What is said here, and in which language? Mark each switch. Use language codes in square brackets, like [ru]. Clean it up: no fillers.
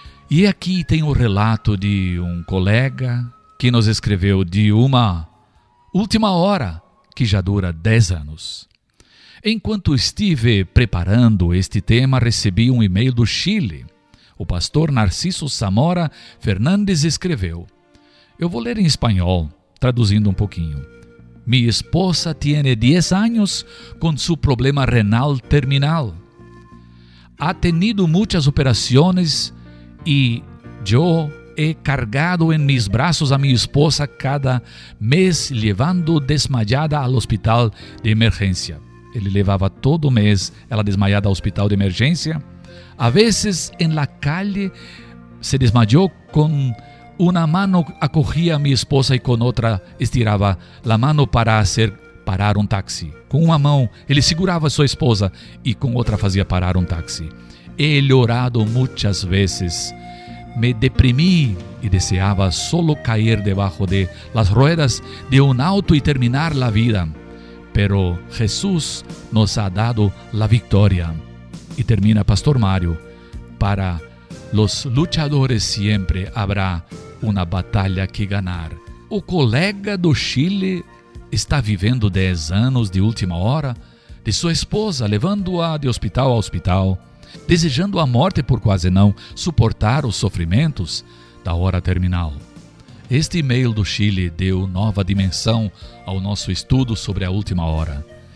[pt] E aqui tem o relato de um colega que nos escreveu de uma última hora que já dura 10 anos. Enquanto estive preparando este tema, recebi um e-mail do Chile. O pastor Narciso Zamora Fernandes escreveu. Eu vou ler em espanhol, traduzindo um pouquinho. [es] Mi esposa tiene 10 años con su problema renal terminal. Ha tenido muchas operaciones y yo he cargado en mis brazos a mi esposa cada mes llevando desmayada al hospital de emergencia. [pt] Ele levava todo mês ela desmaiada ao hospital de emergência. [es] A veces en la calle se desmayó con una mano acogía a mi esposa y con otra estiraba la mano para hacer parar un taxi. Con una mano [pt] ele segurava a sua esposa [es] y con otra [pt] fazia parar un taxi. [es] Ele orado muchas veces. Me deprimí y deseaba solo caer debajo de las ruedas de un auto y terminar la vida. Pero Jesús nos ha dado la victoria. Y termina Pastor Mario, para los luchadores siempre habrá una batalla que ganar. [pt] O colega do Chile está vivendo 10 anos de última hora de sua esposa, levando-a de hospital a hospital, desejando a morte por quase não suportar os sofrimentos da hora terminal. Este e-mail do Chile deu nova dimensão ao nosso estudo sobre a última hora.